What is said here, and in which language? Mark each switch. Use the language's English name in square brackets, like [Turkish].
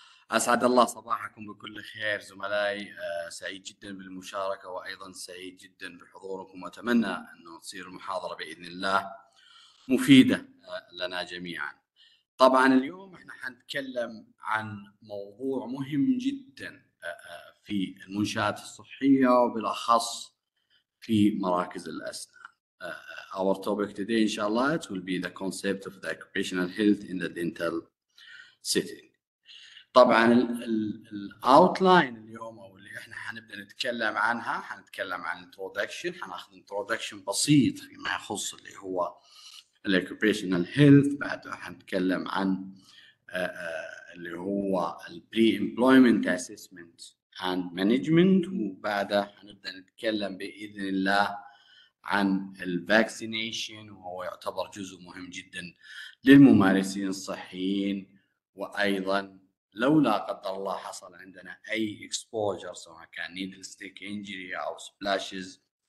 [Arabic] أسعد الله صباحكم بكل خير زملائي، سعيد جدا بالمشاركة وأيضا سعيد جدا بحضوركم، وأتمنى أن تصير المحاضرة بإذن الله مفيدة لنا جميعا. طبعا اليوم احنا حنتكلم عن موضوع مهم جدا في المنشآت الصحية وبالأخص في مراكز الأسنان. [English] Our topic today [Arabic] إن شاء الله [English] it will be the concept of the occupational health in the dental setting. [Arabic] طبعا الاوتلاين اليوم او اللي احنا حنبدا نتكلم عنها، حنتكلم عن انتروداكشن، حناخذ انتروداكشن بسيط فيما يخص اللي هو الاوكيبيشنال هيلث، بعدها حنتكلم عن اللي هو [English] البري employment assessment and management, [Arabic] وبعدها حنبدا نتكلم باذن الله عن الفاكسينيشن وهو يعتبر جزء مهم جدا للممارسين الصحيين، وايضا لو لا قدر الله حصل عندنا اي اكسبوجر سواء كان نيدل ستيك انجري او سبلاشز